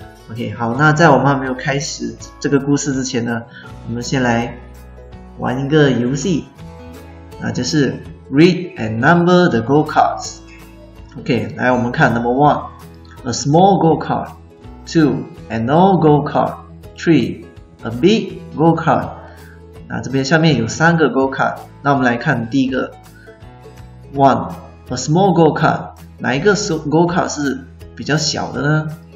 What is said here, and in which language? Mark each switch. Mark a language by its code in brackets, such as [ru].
[zh] OK, 好，那在我们还没有开始这个故事之前呢，我们先来玩一个游戏。那就是 [en] read and number the go-karts. OK, [zh] 来我们看 [en] number 1, a small go-kart. 2, an old go-kart. 3, a big go-kart. [zh] 那这边下面有三个 go-kart, 那我们来看第一个。 [en] 1, a small go-kart. [zh] 哪一个 go-kart 是比较小的呢？